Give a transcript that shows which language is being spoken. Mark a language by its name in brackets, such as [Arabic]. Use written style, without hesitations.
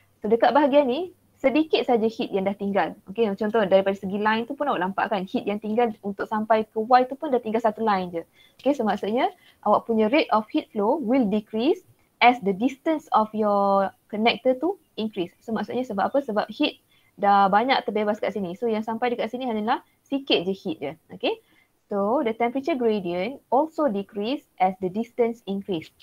[Malay] So dekat bahagian ni, sedikit saja heat yang dah tinggal. Okay, contoh daripada segi line tu pun awak nampak kan, heat yang tinggal untuk sampai ke Y tu pun dah tinggal satu line je. [English] Okay, so [Malay] maksudnya awak punya [English] rate of heat flow will decrease as the distance of your connector tu increase. [Malay] So maksudnya sebab apa? Sebab heat dah banyak terbebas kat sini. So yang sampai dekat sini hanyalah sikit je heat dia. [English] Okay, so the temperature gradient also decrease as the distance increase.